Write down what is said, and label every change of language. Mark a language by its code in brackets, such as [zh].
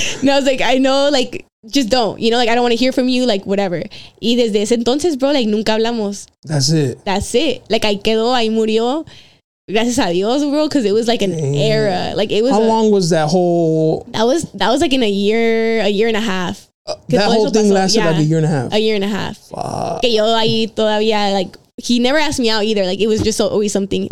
[en] No, I was like, I know, like, just don't, you know, like, I don't want to hear from you, like, whatever. [es] Y desde ese entonces, bro, like, nunca hablamos. [en] That's it. [es] Like, ahí quedó, ahí murió. Gracias a Dios, [en] bro, because it was like an era. Like, it was. How long was that whole? That was like in a year and a half. That whole thing lasted like a year and a half. Fuck. [es] Que yo ahí todavía, [en] like, he never asked me out either. Like, it was just always something.